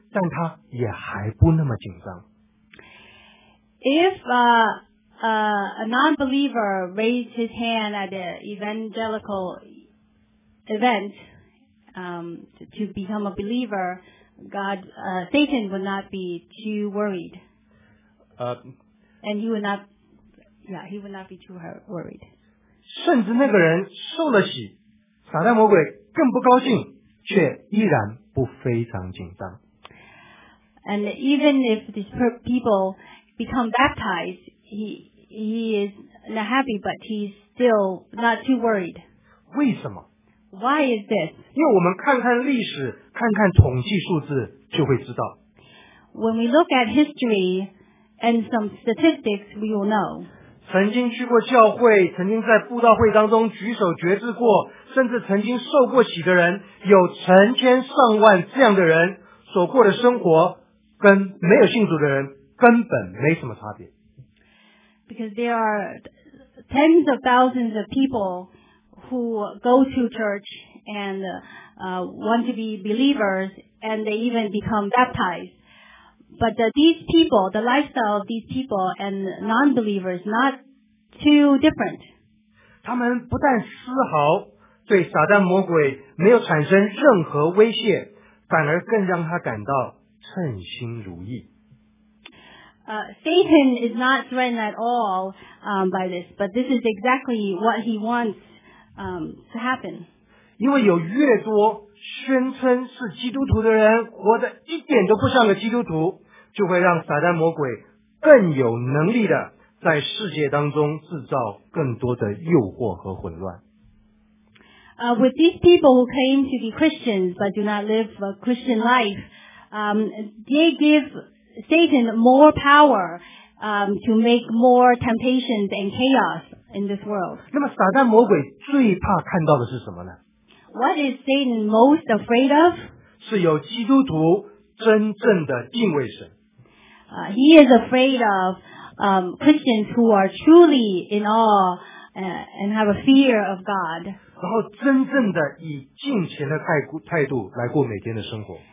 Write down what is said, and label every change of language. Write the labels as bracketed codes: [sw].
[zh] 但他也还不那么紧张。 [en] If a non-believer raised his hand at an evangelical event to become a believer, God, Satan would not be too worried. And he would not be too worried. [zh] 甚至那个人受了洗，撒旦魔鬼更不高兴，却依然不非常紧张。 [en] And even if these people become baptized, he is not happy, but he's still not too worried. [zh] 为什么？ [en] Why is this? [zh] 因为我们看看历史，看看统计数字，就会知道。 [en] When we look at history and some statistics, we will know. [zh] 曾经去过教会，曾经在布道会当中举手决志过，甚至曾经受过洗的人，有成千上万这样的人所过的生活跟没有信主的人根本没什么差别。 [en] Because there are tens of thousands of people who go to church and want to be believers and they even become baptized. But these people, the lifestyle of these people and non-believers, not too different. [zh] 他们不但丝毫对撒旦魔鬼没有产生任何威胁，反而更让他感到称心如意。 [en] Satan is not threatened at all by this, but this is exactly what he wants to happen. [zh] 因为有越多宣称是基督徒的人活得一点都不像个基督徒，就会让撒旦魔鬼更有能力的在世界当中制造更多的诱惑和混乱。 [en] With these people who claim to be Christians but do not live a Christian life, they give Satan more power to make more temptations and chaos in this world. [zh] 那么撒旦魔鬼最怕看到的是什么呢？ [en] What is Satan most afraid of? [zh] 是有基督徒真正的敬畏神。 [en] He is afraid of Christians who are truly in awe and have a fear of God. [zh] 然后真正的以敬虔的态度来过每天的生活。